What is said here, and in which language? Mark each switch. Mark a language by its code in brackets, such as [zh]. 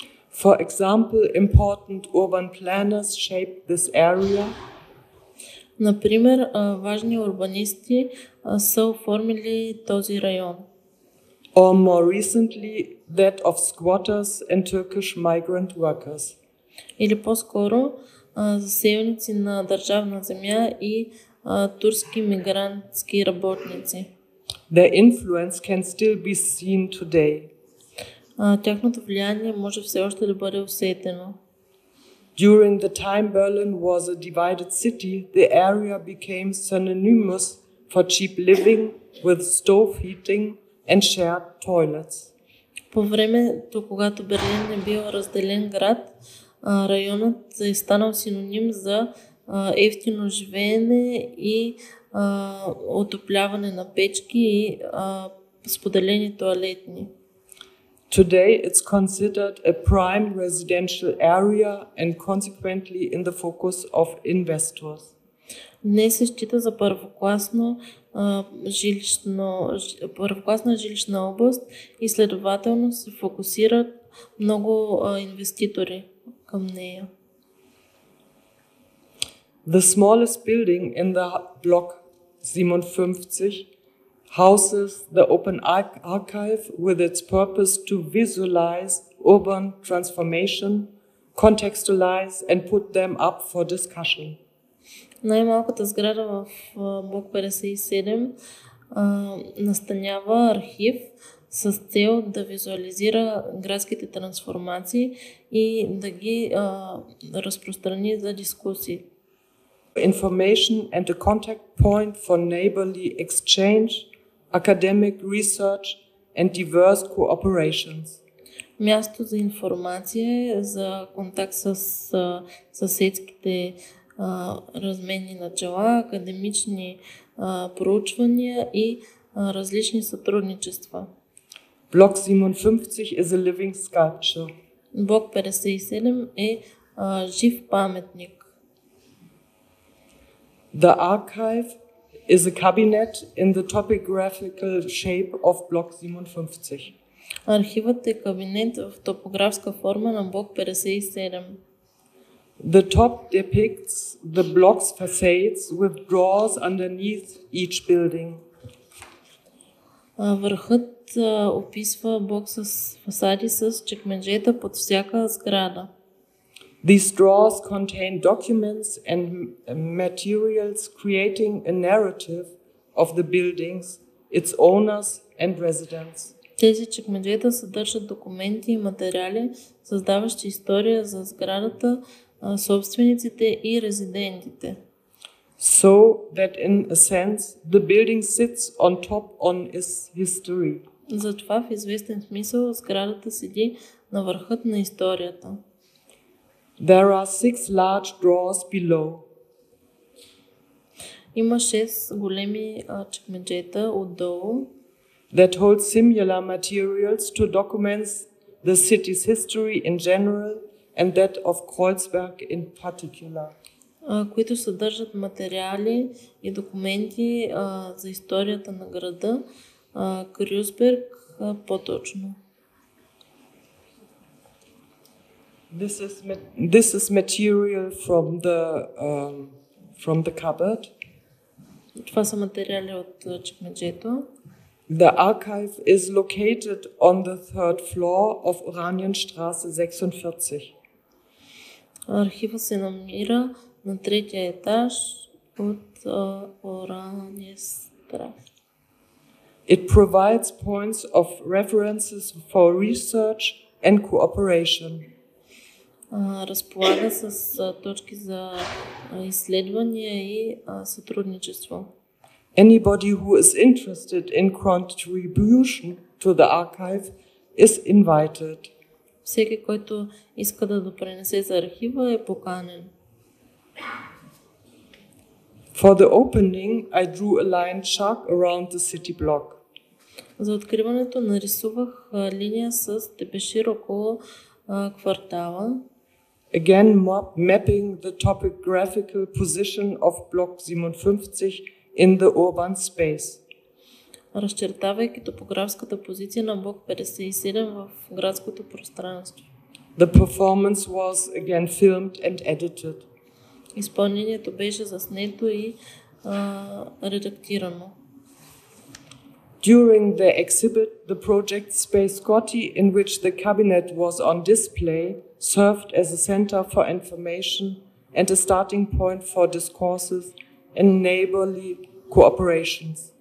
[en] For example, important urban planners shaped this area. [bg] Например, важни урбанисти са оформили този район. [en] Or more recently, that of squatters and Turkish migrant workers. [bg] Или по-скоро, заселници на държавна земя и турски мигрантски работници. [en] Their influence can still be seen today. [bg] Тяхното влияние може все още да бъде усетено. [en] During the time Berlin was a divided city, the area became synonymous for cheap living with stove heating and shared toilets. [bg] По времето, когато Берлин е бил разделен град, районът е станал синоним за евтино живеене и отопляване на печки и споделени туалетни. [en] Today it's considered a prime residential area and consequently in the focus of investors. [bg] Днес се счита за първокласна жилищна област и следователно се фокусират много инвеститори към нея. [en] The smallest building in the block 57 houses the open archive with its purpose to visualize urban transformation, contextualize and put them up for discussion. [bg] Най-малката сграда в блок 57 настанява архив с цел да визуализира градските трансформации и да ги разпространи за дискусии. [en] Information and a contact point for neighborly exchange, academic research and diverse cooperations. [bg] Място за информация, за контакт с съседските разменни начала, академични проучвания и различни сътрудничества. [en] Block 57 is a living sculpture. [bg] Блок 57 е жив паметник. [en] The archive is a cabinet in the topographical shape of block 57. [bg] Архивът е кабинет в топографска форма на блок 57. [en] The top depicts the block's facades with drawers underneath each building. [bg] Върхът описва блок с фасади с чекмеджета под всяка сграда. [en] These drawers contain documents and materials creating a narrative of the buildings, its owners and residents. [bg] Тези чекмеджета съдържат документи и материали, създаващи история за сградата, собствениците и резидентите. [en] So that in a sense the building sits on top on its history. [bg] Затова в известен смисъл сградата седи на върхът на историята. [en] There are six large drawers below. [bg] Има шест големи чекмеджета отдолу. [en] That hold similar materials to documents the city's history in general and that of Kreuzberg in particular. [bg] Които съдържат материали и документи за историята на града Крюсберг по-точно. [en] This is material from the cupboard. [bg] Това са материали от чекмеджето. [en] The archive is located on the third floor of Oranienstraße 46. [bg] Архивът се намира на третия етаж от Oranienstraße. [en] It provides points of references for research and cooperation. [bg] Разполага с точки за изследвания и сътрудничество. [en] Anybody who is interested in contribution to the archive is invited. [bg] Всеки, който иска да допринесе за архива, е поканен. [en] For the opening, I drew a line shark around the city block. [bg] За откриването нарисувах линия с дебешир около квартала. [en] Again, mapping the topographical position of block 57 in the urban space. [bg] Разчертавайки топографската позиция на блок 57 в градското пространство. [en] The performance was again filmed and edited. [bg] Изпълнението беше заснето и редактирано. [en] During the exhibit, the project space Scotty, in which the cabinet was on display, served as a center for information and a starting point for discourses and neighborly cooperations.